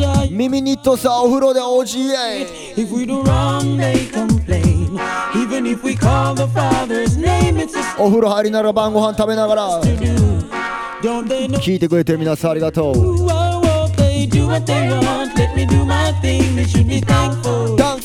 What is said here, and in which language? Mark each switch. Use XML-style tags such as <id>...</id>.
<ja>ミミニットさん、お風呂で OGA。</ja> <en>If we do wrong they complain, even if we call the father's name, it's a...</en> <ja>お風呂入りなら晩ご飯食べながら聞いてくれてる皆さん、ありがとう。</ja> <en>Do what they want, let me do my thing, they should be thankful.</en>